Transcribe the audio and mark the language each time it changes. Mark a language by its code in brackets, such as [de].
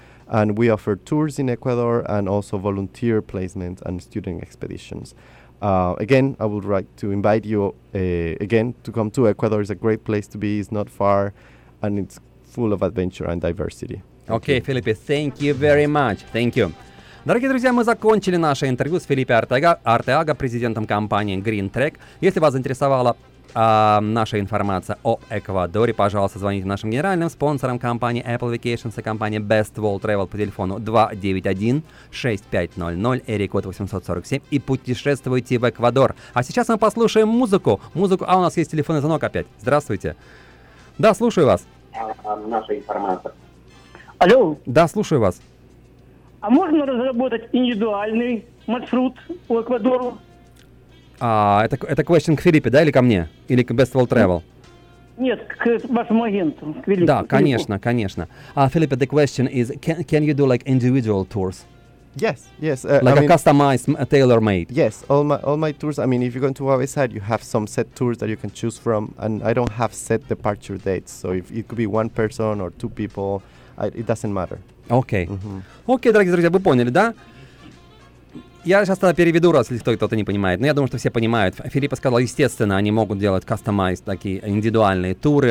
[en] And we offer tours in Ecuador and also volunteer placements and student expeditions. Again, I would like to invite you again to come to Ecuador. It's a great place to be. It's not far and it's full of adventure and diversity. Okay, Felipe, thank you very much. Thank you. [ru] Дорогие друзья, мы закончили наше интервью с Филиппе Артеага, президентом компании Green Trek. Если вас заинтересовала наша информация о Эквадоре, пожалуйста, звоните нашим генеральным спонсорам компании Apple Vacations и компании Best World Travel по телефону 291-6500, эрик код 847, и путешествуйте в Эквадор. А сейчас мы послушаем музыку, а у нас есть телефонный звонок опять. Здравствуйте. Да, слушаю вас. Наша информация. Алло. Да, слушаю вас. А можно разработать индивидуальный маршрут по Эквадору? Это question к Филиппе, да, или ко мне? Или к Best World Travel? Нет, к вашему агенту, к Филиппу. Да, конечно. [en] Филиппе, the question is, can you do like individual tours? Yes. Customized, tailor-made. Yes, all my tours, I mean, if you go into our website, you have some set tours that you can choose from, and I don't have set departure dates, so if it could be one person or two people, it doesn't matter. [ru] Окей. Mm-hmm. Окей, дорогие друзья, вы поняли, да? Я сейчас тогда переведу, раз если кто-то не понимает. Но я думаю, что все понимают. Филиппе сказал, естественно, они могут делать кастомайз, такие индивидуальные туры.